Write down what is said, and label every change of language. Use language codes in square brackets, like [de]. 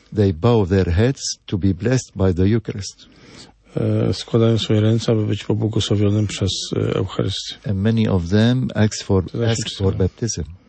[en] they bow their heads to be blessed by the Eucharist. [pl] Składają swoje ręce, aby być pobłogosławionym przez Eucharystię. [en] And many of them ask for baptism.